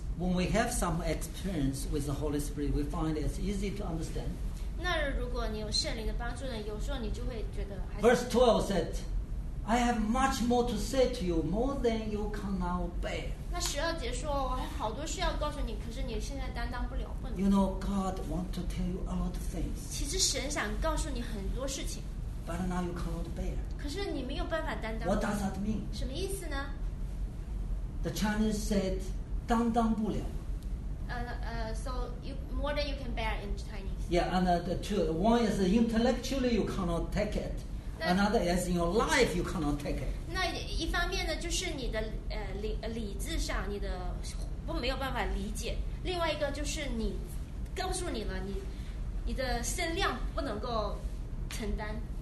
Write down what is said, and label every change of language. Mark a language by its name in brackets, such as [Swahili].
[English] When we have some experience with the Holy Spirit, we find it's easy to understand. [Chinese] 那如果你有圣灵的帮助呢？有时候你就会觉得。 [English] Verse 12 said, "I have much more to say to you, more than you can now bear." [Chinese] 那十二节说，我还好多事要告诉你，可是你现在担当不了。 [English] You know, God wants to tell you a lot of things. [Chinese] 其实神想告诉你很多事情。 [English] But now you cannot bear. [Chinese] 可是你没有办法担当。 [English] What does that mean? [Chinese] 什么意思呢 [English] ？The Chinese said. [Chinese] 担当不了。 [English] So you more than you can bear in Chinese. Yeah, and the two. One is intellectually you cannot take it. Another is in your life you cannot take it. [Chinese] 那一方面呢，就是你的理智上你的不没有办法理解。另外一个就是你告诉你了，你的身量不能够承担。